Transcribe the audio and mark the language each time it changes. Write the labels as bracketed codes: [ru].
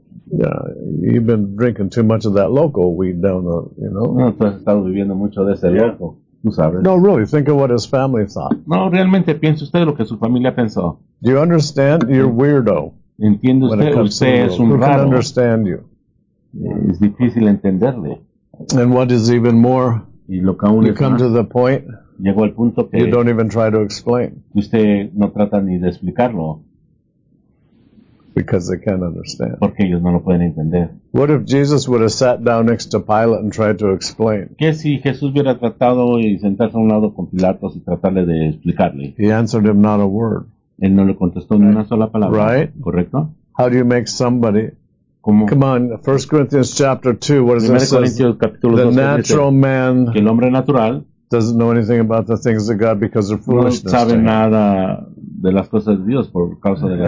[en] Yeah, you've been drinking too much of that local weed down there, you know? [es] No, tú has estado viviendo mucho de ese loco, tú sabes. [en] No, really, think of what his family thought. [es] No, realmente piense usted lo que su familia pensó. [en] Do you understand? You're weirdo. [es] Entiende usted es un raro. [en] Who can understand you? [es] Es difícil entenderle. [en] And what is even more, [es] y lo que aún [en] you come to the point, [es] llegó al punto que [en] you don't even try to explain. [es] Usted no trata ni de explicarlo. [en] Because they can't understand. [es] Porque ellos no lo pueden entender. [en] What if Jesus would have sat down next to Pilate and tried to explain? [es] ¿Qué si Jesús hubiera tratado y sentarse a un lado con Pilatos y tratarle de explicarle? [en] He answered him not a word. [es] Él no le contestó ni una sola palabra. [en] Right? [es] Correcto. [en] How do you make somebody? [es] ¿Cómo? [en] Come on, 1 Corinthians chapter 2, what does it say? [es] 1 Corintios capítulo 2. [en] The natural man. [es] Que el hombre natural. [en] Doesn't know anything about the things of God because of foolishness. [es] No sabe nada de las cosas de Dios por causa de la